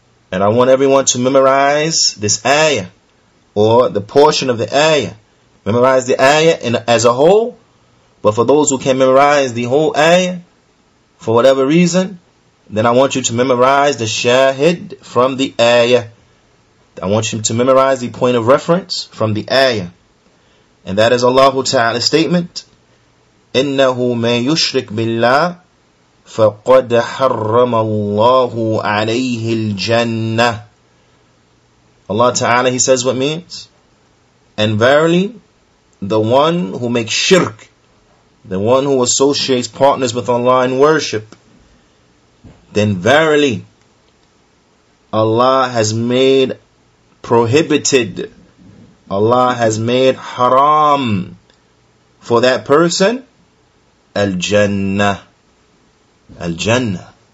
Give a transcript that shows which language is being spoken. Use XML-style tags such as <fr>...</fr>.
<en>And I want everyone to memorize this ayah, or the portion of the ayah. Memorize the ayah as a whole. But for those who can't memorize the whole ayah, for whatever reason, then I want you to memorize the shahid from the ayah. I want you to memorize the point of reference from the ayah. And that is Allahu Ta'ala's statement,</en> <ar>إِنَّهُ مَن يُشْرِكْ بِاللَّهِ فَقَدْ حَرَّمَ اللَّهُ عَلَيْهِ الْجَنَّةِ.</ar> <en>Allah Ta'ala, He says what means, and verily, the one who makes shirk, the one who associates partners with Allah in worship, then verily, Allah has made prohibited, Allah has made haram for that person, al-jannah, al-jannah.</en>